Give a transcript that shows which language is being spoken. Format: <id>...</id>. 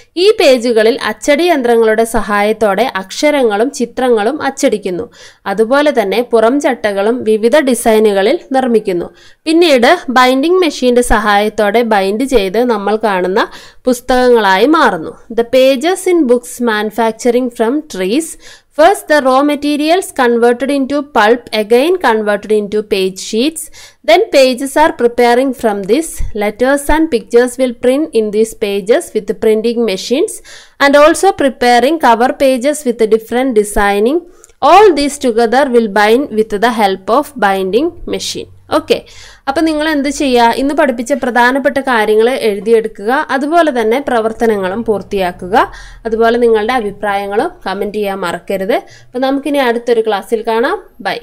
<ml>ഈ പേജുകളിൽ അച്ചടി യന്ത്രങ്ങളുടെ സഹായത്തോടെ അക്ഷരങ്ങളും ചിത്രങ്ങളും അച്ചടിക്കുന്നു. അതുപോലെ തന്നെ പുറം ചട്ടകളും വിവിധ ഡിസൈനുകളിൽ നിർമ്മിക്കുന്നു. പിന്നീട് ബൈൻഡിങ് മെഷീൻ്റെ സഹായത്തോടെ ബൈൻഡ് ചെയ്ത് നമ്മൾ കാണുന്ന പുസ്തകങ്ങളായി മാറുന്നു.</ml> <en>The pages in books manufacturing from trees. First, the raw materials converted into pulp, again converted into page sheets. Then pages are preparing from this. Letters and pictures will print in these pages with the printing machines and also preparing cover pages with the different designing. All these together will bind with the help of binding machine.</en> <ml>Okay, അപ്പോൾ നിങ്ങൾ എന്ത് ചെയ്യുക? ഇന്ന് പഠിപ്പിച്ച പ്രധാനപ്പെട്ട കാര്യങ്ങൾ എഴുതിയെടുക്കുക, അതുപോലെ തന്നെ പ്രവർത്തനങ്ങളും പൂർത്തിയാക്കുക. അതുപോലെ നിങ്ങളുടെ അഭിപ്രായങ്ങളും കമൻറ്റ് ചെയ്യാൻ മറക്കരുത്. അപ്പോൾ നമുക്കിനി അടുത്തൊരു ക്ലാസ്സിൽ കാണാം. ബൈ.</ml>